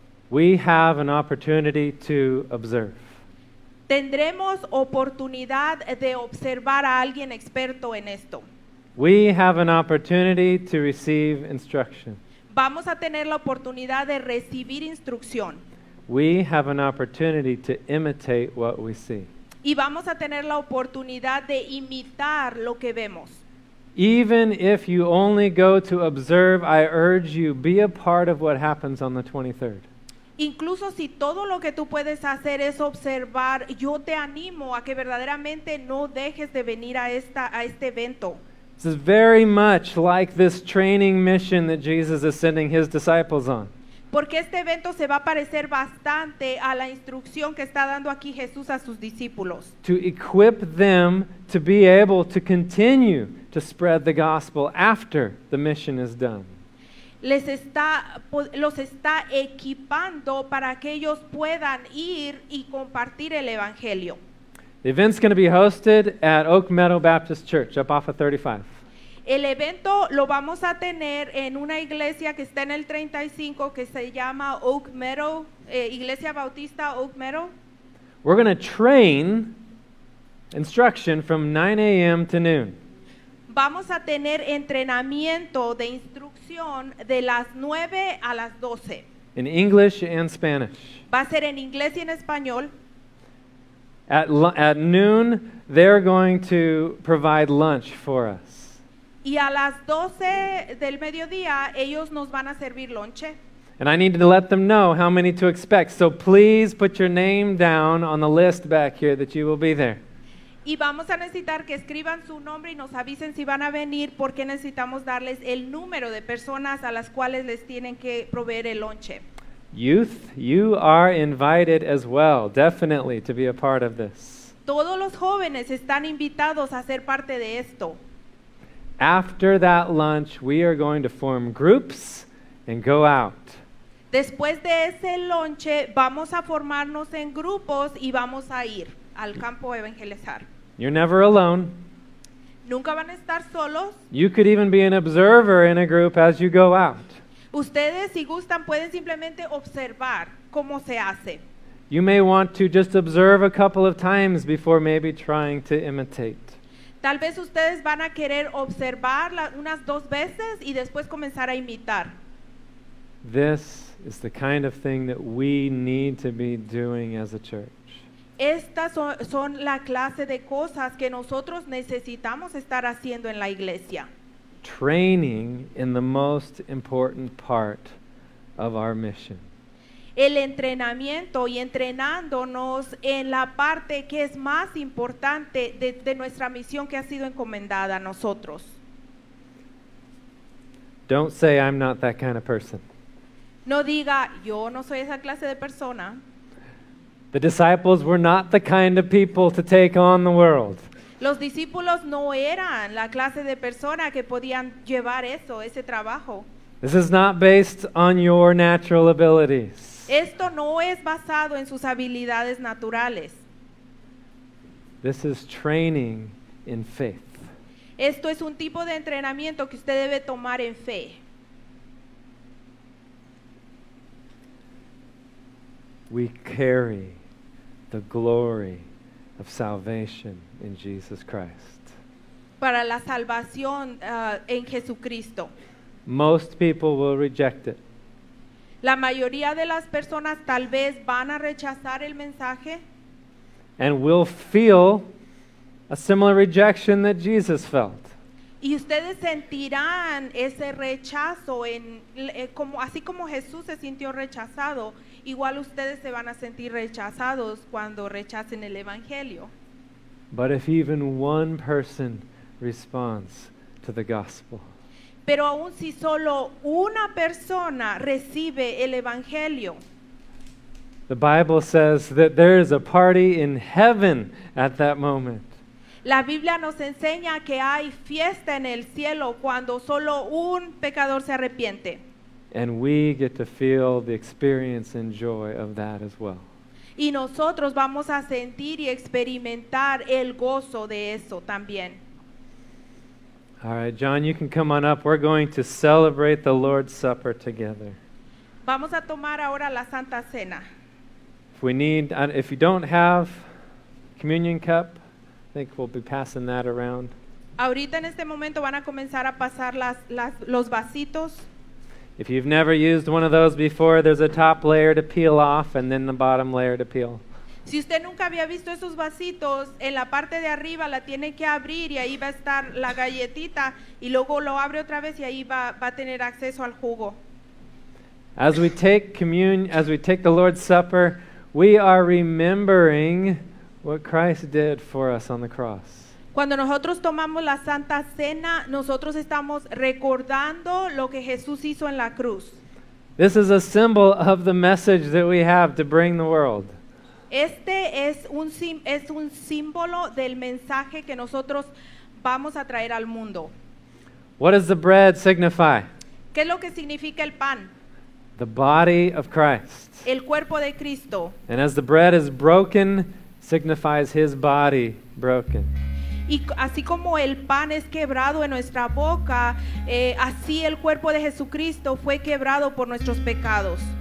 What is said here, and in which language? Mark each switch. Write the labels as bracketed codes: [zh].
[en] we have an opportunity to observe. [es] Tendremos oportunidad de observar a alguien experto en esto. [en] We have an opportunity to receive instruction. [es] Vamos a tener la oportunidad de recibir instrucción. [en] We have an opportunity to imitate what we see. [es] Y vamos a tener la oportunidad de imitar lo que vemos. [en] Even if you only go to observe, I urge you, be a part of what happens on the 23rd. [es] Incluso si todo lo que tú puedes hacer es observar, yo te animo a que verdaderamente no dejes de venir a este evento. [en] This is very much like this training mission that Jesus is sending His disciples on. [es] Porque este evento se va a parecer bastante a la instrucción que está dando aquí Jesús a sus discípulos. [en] To equip them to be able to continue to spread the gospel after the mission is done. [es] los está equipando para que ellos puedan ir y compartir el evangelio. [en] The event's going to be hosted at Oak Meadow Baptist Church up off of 35. [es] El evento lo vamos a tener en una iglesia que está en el 35 que se llama Oak Meadow, Iglesia Bautista Oak Meadow. [en] We're going to train instruction from 9 a.m. to noon. [es] Vamos a tener entrenamiento de instrucción de las 9 a las 12. [en] In English and Spanish. [es] Va a ser en inglés y en español. [en] At noon, they're going to provide lunch for us. [es] Y a las 12 del mediodía, ellos nos van a servir lonche. [en] And I need to let them know how many to expect. So please put your name down on the list back here that you will be there. [es] Y vamos a necesitar que escriban su nombre y nos avisen si van a venir porque necesitamos darles el número de personas a las cuales les tienen que proveer el lonche. [en] Youth, you are invited as well, definitely, to be a part of this. [es] Todos los jóvenes están invitados a ser parte de esto. [en] After that lunch, we are going to form groups and go out. [es] Después de ese lunch, vamos a formarnos en grupos y vamos a ir al campo a evangelizar. [en] You're never alone. [es] Nunca van a estar solos. [en] You could even be an observer in a group as you go out. [es] Ustedes, si gustan, pueden simplemente observar cómo se hace. [en] You may want to just observe a couple of times before maybe trying to imitate. [es] Tal vez ustedes van a querer observar unas dos veces y después comenzar a imitar. [en] This is the kind of thing that we need to be doing as a church. [es] Estas son la clase de cosas que nosotros necesitamos estar haciendo en la iglesia. [en] Training in the most important part of our mission. [es] El entrenamiento y entrenándonos en la parte que es más importante de nuestra misión que ha sido encomendada a nosotros. [en] Don't say I'm not that kind of person. [es] No diga, yo no soy esa clase de persona. [en] The disciples were not the kind of people to take on the world. [es] Los discípulos no eran la clase de persona que podían llevar eso, ese trabajo. [en] This is not based on your natural abilities. [es] Esto no es basado en sus habilidades naturales. [en] This is training in faith. [es] Esto es un tipo de entrenamiento que usted debe tomar en fe. [en] We carry the glory of salvation in Jesus Christ. [es] Para la salvación en Jesucristo. [en] Most people will reject it. [es] La mayoría de las personas tal vez van a rechazar el mensaje. [en] And will feel a similar rejection that Jesus felt. [es] Y ustedes sentirán ese rechazo en como así como Jesús se sintió rechazado, igual ustedes se van a sentir rechazados cuando rechacen el evangelio. [en] But if even one person responds to the gospel. [es] Pero aun si solo una persona recibe el evangelio. [en] The Bible says that there is a party in heaven at that moment. [es] La Biblia nos enseña que hay fiesta en el cielo cuando solo un pecador se arrepiente. [en] And we get to feel the experience and joy of that as well. [es] Y nosotros vamos a sentir y experimentar el gozo de eso también. [en] All right, John, you can come on up. We're going to celebrate the Lord's Supper together. [es] Vamos a tomar ahora la Santa Cena. [en] If you don't have communion cup, I think we'll be passing that around. [es] Ahorita en este momento van a comenzar a pasar los vasitos. [en] If you've never used one of those before, there's a top layer to peel off and then the bottom layer to peel. [es] Si usted nunca había visto esos vasitos, en la parte de arriba la tiene que abrir y ahí va a estar la galletita y luego lo abre otra vez y ahí va a tener acceso al jugo. [en] As we take communion, as we take the Lord's Supper, we are remembering what Christ did for us on the cross. [es] Cuando nosotros tomamos la Santa Cena, nosotros estamos recordando lo que Jesús hizo en la cruz. [en] This is a symbol of the message that we have to bring the world. [es] Este es un símbolo del mensaje que nosotros vamos a traer al mundo. [en] What does the bread signify? [es] ¿Qué es lo que significa el pan? [en] The body of Christ. [es] El cuerpo de Cristo. [en] And as the bread is broken, signifies his body broken. [es] Y así como el pan es quebrado en nuestra boca, así el cuerpo de Jesucristo fue quebrado por nuestros pecados.